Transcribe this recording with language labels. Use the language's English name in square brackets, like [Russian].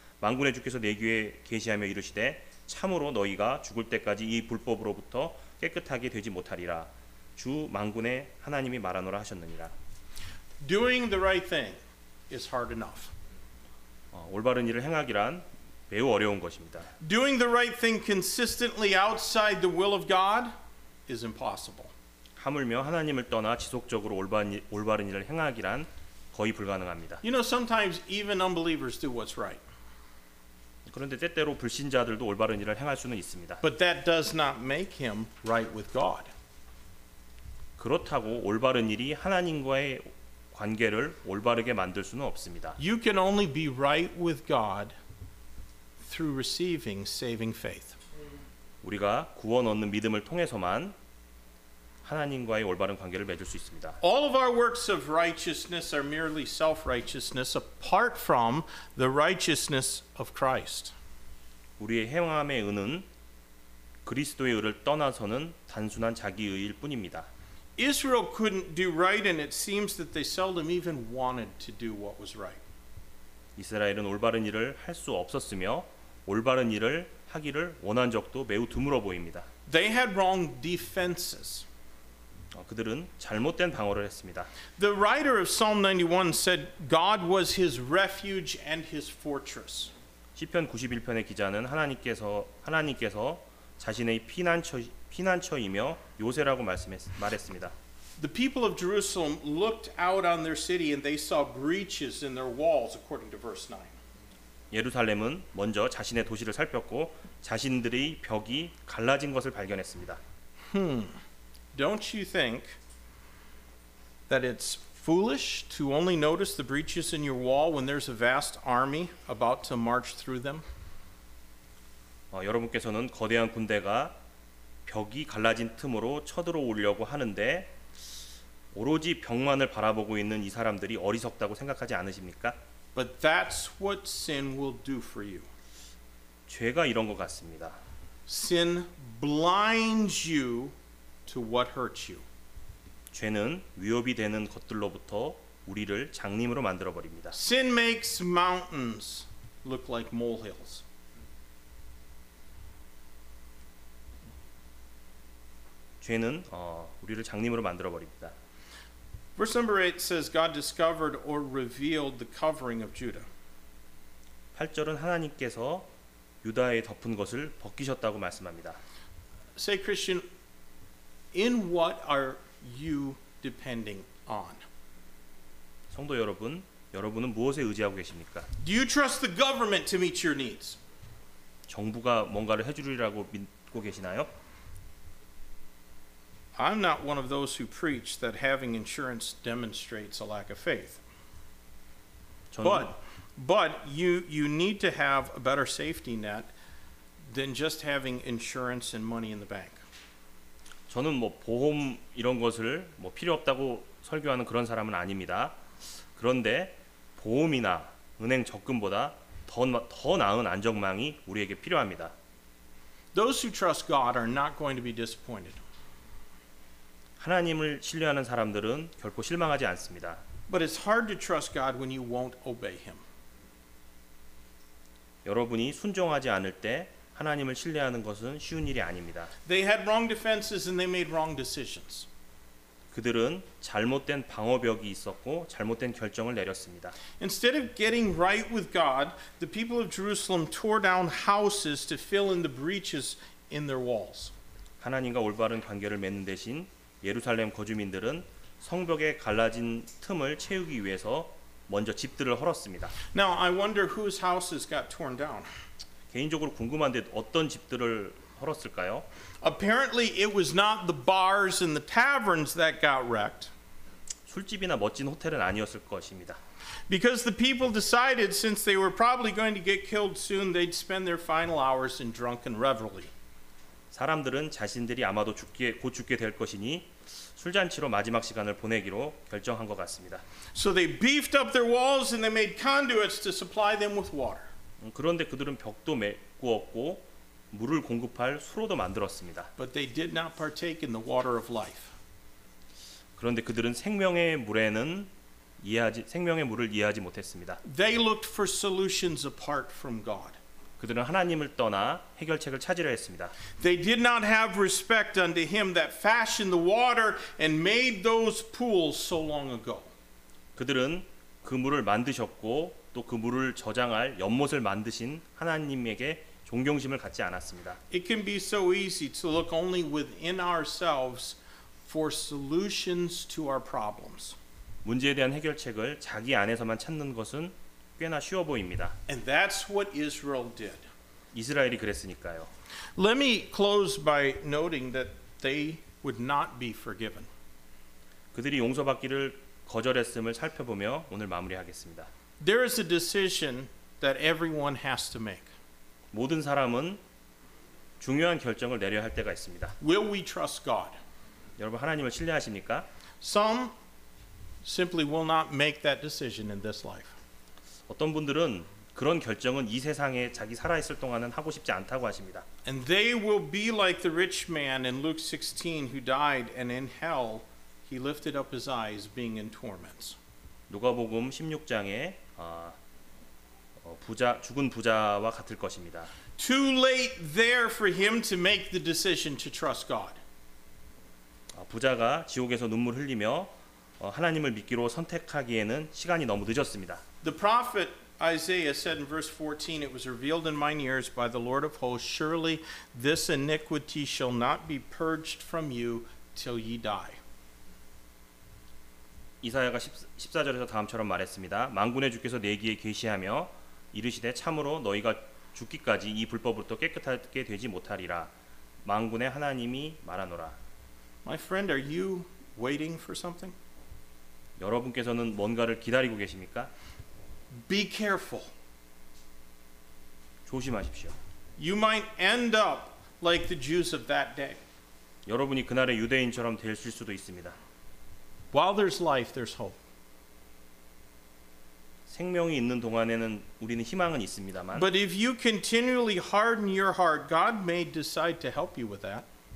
[Korean] 만군의 주께서 내 귀에 계시하며 이르시되 참으로 너희가 죽을 때까지 이 불법으로부터 깨끗하게 되지 못하리라. 주 만군의 하나님이 말하노라 하셨느니라. [English] Doing the right thing is hard enough. [Korean] 올바른 일을 행하기란 매우 어려운 것입니다. [English] Doing the right thing consistently outside the will of God is impossible. [Korean] 하물며 하나님을 떠나 지속적으로 올바른 일을 행하기란 거의 불가능합니다. [English] You know, sometimes even unbelievers do what's right. [Korean] 그런데 때때로 불신자들도 올바른 일을 행할 수는 있습니다. [English] But that does not make him right with God. [Korean] 그렇다고 올바른 일이 하나님과의 관계를 올바르게 만들 수는 없습니다. [English] You can only be right with God through receiving saving faith. [Korean] 우리가 구원 얻는 믿음을 통해서만 하나님과의 올바른 관계를 맺을 수 있습니다. [English] All of our works of righteousness are merely self-righteousness apart from the righteousness of Christ. [Korean] 우리의 행함의 의는 그리스도의 의를 떠나서는 단순한 자기의 의일 뿐입니다. [English] Israel couldn't do right and it seems that they seldom even wanted to do what was right. [Korean] 이스라엘은 올바른 일을 할 수 없었으며 올바른 일을 하기를 원한 적도 매우 드물어 보입니다. [English] They had wrong defenses. [Korean] 그들은 잘못된 방어를 했습니다. [English] The writer of Psalm 91 said God was his refuge and his fortress. [Korean] 시편 91편의 기자는 하나님께서 자신의 피난처이며 요새라고 말했습니다. [English] The people of Jerusalem looked out on their city and they saw breaches in their walls according to verse 9. [Korean] 예루살렘은 먼저 자신의 도시를 살폈고 자신들의 벽이 갈라진 것을 발견했습니다. [English] Don't you think that it's foolish to only notice the breaches in your wall when there's a vast army about to march through them? [Korean] 여러분께서는 거대한 군대가 벽이 갈라진 틈으로 쳐들어오려고 하는데 오로지 벽만을 바라보고 있는 이 사람들이 어리석다고 생각하지 않으십니까? [English] But that's what sin will do for you. [Korean] 죄가 이런 것 같습니다. [English] Sin blinds you to what hurts you. [Korean] 죄는 위협이 되는 것들로부터 우리를 장님으로 만들어 버립니다. [English] Sin makes mountains look like molehills. [Korean] 죄는 우리를 장님으로 만들어 버립니다. [English] Verse number 8 says God discovered or revealed the covering of Judah. [Korean] 8절은 하나님께서 유다의 덮은 것을 벗기셨다고 말씀합니다. [English] Say Christian, in what are you depending on? [Korean] 성도 여러분, 여러분은 무엇에 의지하고 계십니까? [English] Do you trust the government to meet your needs? [Korean] 정부가 뭔가를 해주리라고 믿고 계시나요? [English] I'm not one of those who preach that having insurance demonstrates a lack of faith. But you need to have a better safety net than just having insurance and money in the bank. [Korean] 저는 뭐 보험 이런 것을 뭐 필요 없다고 설교하는 그런 사람은 아닙니다. 그런데 보험이나 은행 적금보다 더 나은 안정망이 우리에게 필요합니다. [English] Those who trust God are not going to be disappointed. [Korean] 하나님을 신뢰하는 사람들은 결코 실망하지 않습니다. [English] But it's hard to trust God when you won't obey him. [Korean] 여러분이 순종하지 않을 때 하나님을 신뢰하는 것은 쉬운 일이 아닙니다. [English] They had wrong defenses and they made wrong decisions. [Korean] 그들은 잘못된 방어벽이 있었고 잘못된 결정을 내렸습니다. [English] Instead of getting right with God, the people of Jerusalem tore down houses to fill in the breaches in their walls. [Korean] 하나님과 올바른 관계를 맺는 대신 예루살렘 거주민들은 성벽에 갈라진 틈을 채우기 위해서 먼저 집들을 헐었습니다. [English] Now I wonder whose houses got torn down. [Korean] 개인적으로 궁금한데 어떤 집들을 헐었을까요? [English] Apparently it was not the bars and the taverns that got wrecked. [Korean] 술집이나 멋진 호텔은 아니었을 것입니다. [English] Because the people decided since they were probably going to get killed soon they'd spend their final hours in drunken revelry. [Korean] 사람들은 자신들이 아마도 곧 죽게 될 것이니 술잔치로 마지막 시간을 보내기로 결정한 것 같습니다. [English] So they beefed up their walls and they made conduits to supply them with water. [Korean] 그런데 그들은 벽도 메꾸었고 물을 공급할 수로도 만들었습니다. [English] But they did not partake in the water of life. [Korean] 그런데 그들은 생명의 물을 이해하지 못했습니다. [English] They looked for solutions apart from God. [Korean] 그들은 하나님을 떠나 해결책을 찾으려 했습니다. [English] They did not have respect unto him that fashioned the water and made those pools so long ago. [Korean] 그들은 그 물을 만드셨고 또 그 물을 저장할 연못을 만드신 하나님에게 존경심을 갖지 않았습니다. [English] It can be so easy to look only within ourselves for solutions to our problems. [Korean] 문제에 대한 해결책을 자기 안에서만 찾는 것은 꽤나 쉬워 보입니다. [English] And that's what Israel did. [Korean] 이스라엘이 그랬으니까요. [English] Let me close by noting that they would not be forgiven. [Korean] 그들이 용서받기를 거절했음을 살펴보며 오늘 마무리하겠습니다. [English] There is a decision that everyone has to make. [Korean] 모든 사람은 중요한 결정을 내려야 할 때가 있습니다. [English] Will we trust God? [Korean] 여러분 하나님을 신뢰하십니까? [English] Some simply will not make that decision in this life. [Korean] 어떤 분들은 그런 결정은 이 세상에 자기 살아 있을 동안은 하고 싶지 않다고 하십니다. [English] And they will be like the rich man in Luke 16 who died and in hell he lifted up his eyes being in torments. [Korean] 누가복음 16장에 죽은 부자와 같을 것입니다. [English] Too late there for him to make the decision to trust God. [Korean] 부자가 지옥에서 눈물 흘리며 하나님을 믿기로 선택하기에는 시간이 너무 늦었습니다. [English] The prophet Isaiah said in verse 14, It was revealed in mine ears by the Lord of hosts, Surely this iniquity shall not be purged from you till ye die. [Korean] 이사야가 14절에서 다음처럼 말했습니다. 만군의 주께서 내 귀에 계시하며 이르시되 참으로 너희가 죽기까지 이 불법으로부터 깨끗하게 되지 못하리라. 만군의 하나님이 말하노라. [English] My friend, are you waiting for something? [Korean] 여러분께서는 뭔가를 기다리고 계십니까? [English] Be careful. [Korean] 조심하십시오. [English] You might end up like the Jews of that day. [Korean] 여러분이 그날의 유대인처럼 되실 수도 있습니다. [English] While there's life, there's hope. [Korean] 생명이 있는 동안에는 우리는 희망은 있습니다만. [English] But if you continually harden your heart, God may decide to help you with that.